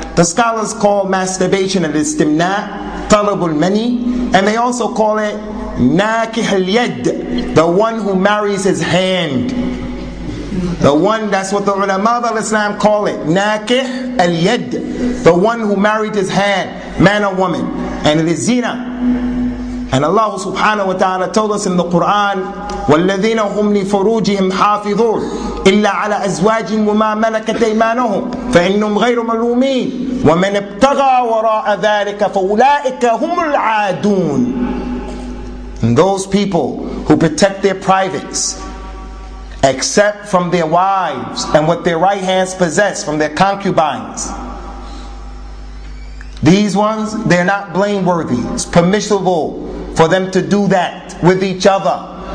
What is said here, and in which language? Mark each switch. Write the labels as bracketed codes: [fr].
[en] The scholars call masturbation al-istimna, talabul mani, and they also call it nakih al-yad, the one who marries his hand. The one, that's what the ulama of Islam call it, nakih al-yad, the one who married his hand, man or woman. And it is zina. And Allah subhanahu wa ta'ala told us in the Quran, [ar] وَالَّذِينَ هُمْ لِفُرُوجِهِمْ حَافِظُونَ إِلَّا عَلَى أَزْوَاجٍ وَمَا مَلَكَتْ أَيْمَانُهُمْ فَإِنَّهُمْ غَيْرُ مَلُومِينَ وَمَنْ ابْتَغَى وَرَاءَ ذَلِكَ فَأُولَٰئِكَ هُمُ الْعَادُونَ. [en] And those people who protect their privates, except from their wives and what their right hands possess from their concubines, these ones, they're not blameworthy. It's permissible for them to do that with each other.